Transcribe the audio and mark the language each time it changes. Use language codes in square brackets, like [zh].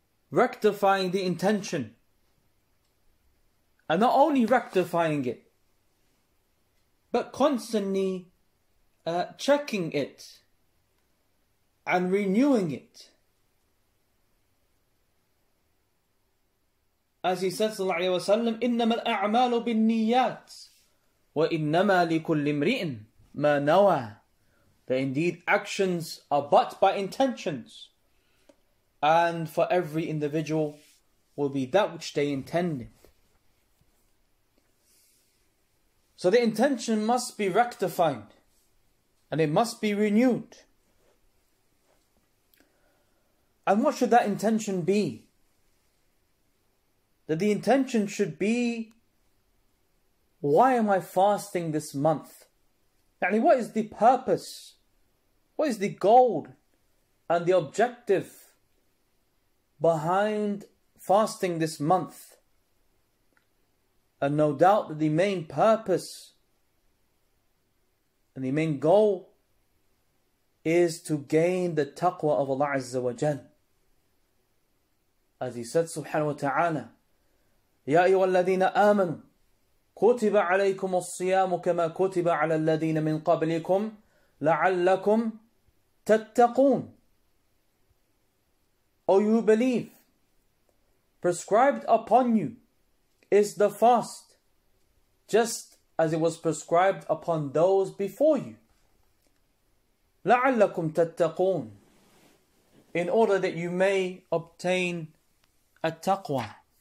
[en] Rectifying the intention. And not only rectifying it, but constantly checking it and renewing it. As he said, [ar] sallallahu alayhi wa sallam, إِنَّمَا الْأَعْمَالُ بِالنِّيَّاتِ وَإِنَّمَا لِكُلِّ امْرِئٍ مَا نَوَى. [en] That indeed actions are but by intentions, and for every individual will be that which they intended. So the intention must be rectified and it must be renewed. And what should that intention be? That the intention should be, why am I fasting this month? Yani, what is the purpose? What is the goal and the objective behind fasting this month? And no doubt that the main purpose and the main goal is to gain the taqwa of Allah Azza wa Jal. As he said, [ar] subhanahu wa ta'ala, يَا أَيُّهَا الَّذِينَ آمَنُوا كُتِبَ عَلَيْكُمُ الصِّيَامُ كَمَا كُتِبَ عَلَى الَّذِينَ مِنْ قَبْلِكُمْ لَعَلَّكُمْ تَتَّقُونَ. [en] O you who believe, prescribed upon you is the fast, just as it was prescribed upon those before you. [ar] لَعَلَّكُمْ تَتَّقُونَ. [en] In order that you may obtain a taqwa.